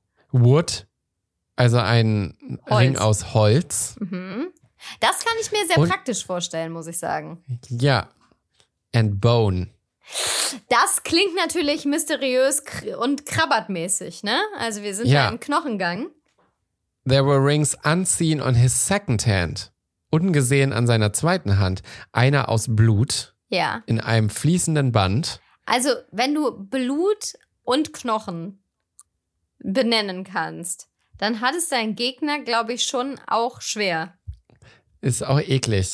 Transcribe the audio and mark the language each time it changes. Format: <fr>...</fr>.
<de>Wood, also ein Holz. Ring aus Holz. Mhm. Das kann ich mir sehr und, praktisch vorstellen, muss ich sagen. Ja.</de> <en>And Bone.</en> <de>Das klingt natürlich mysteriös und krabbertmäßig, ne? Also wir sind ja da im Knochengang.</de> <en>There were rings unseen on his second hand.</en> <de>Ungesehen an seiner zweiten Hand. Einer aus Blut. Ja. In einem fließenden Band. Also, wenn du Blut und Knochen benennen kannst, dann hat es dein Gegner, glaube ich, schon auch schwer. Ist auch eklig.</de>